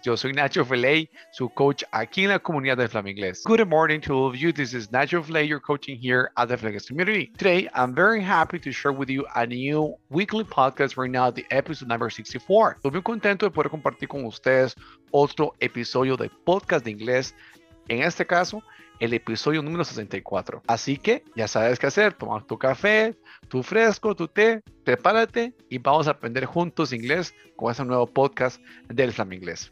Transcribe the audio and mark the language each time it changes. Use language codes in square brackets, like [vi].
[es] Yo soy Nacho Flay, su coach aquí en la comunidad de flamingles. [en] Good morning to all of you. This is Nacho Flay, your coaching here at the Flamingles Community. Today, I'm very happy to share with you a new weekly podcast right now, the episode number 64. [es] Estoy muy contento de poder compartir con ustedes otro episodio de podcast de inglés. En este caso, el episodio número 64. Así que ya sabes qué hacer, toma tu café, tu fresco, tu té, prepárate y vamos a aprender juntos inglés con este nuevo podcast del Flaminglés.